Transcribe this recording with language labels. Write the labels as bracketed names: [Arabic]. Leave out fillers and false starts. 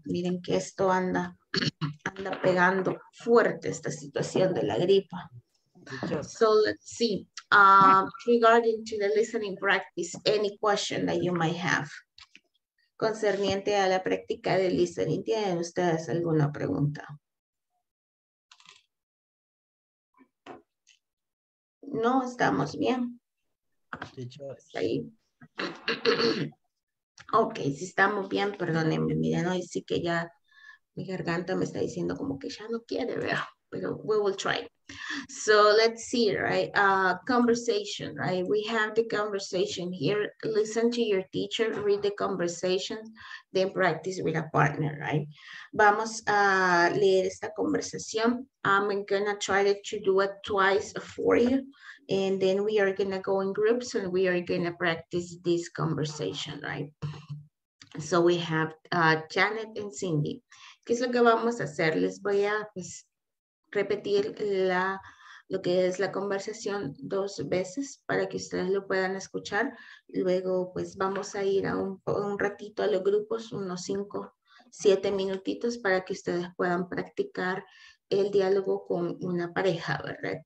[Spanish] Miren que esto anda pegando fuerte, esta situación de la gripa. [English] So let's see. Regarding to the listening practice, any question that you might have. [Spanish] Concerniente a la práctica de listening, ¿tienen ustedes alguna pregunta? No, estamos bien. Ahí. Ok, si estamos bien, perdónenme, miren, hoy sí que ya mi garganta me está diciendo como que ya no quiere, ¿verdad? Pero [English] we will try. So let's see, right? Conversation, right? We have the conversation here. Listen to your teacher, read the conversation, then practice with a partner, right? [Spanish] Vamos a leer esta conversación. [English] I'm gonna try to do it twice for you. And then we are gonna go in groups and we are gonna practice this conversation, right? So we have Janet and Cindy. [Spanish] ¿Qué es lo que vamos a hacer? Les voy a repetir lo que es la conversación dos veces para que ustedes lo puedan escuchar. Luego, pues vamos a ir a un ratito a los grupos, unos 5-7 minutitos para que ustedes puedan practicar el diálogo con una pareja, ¿verdad?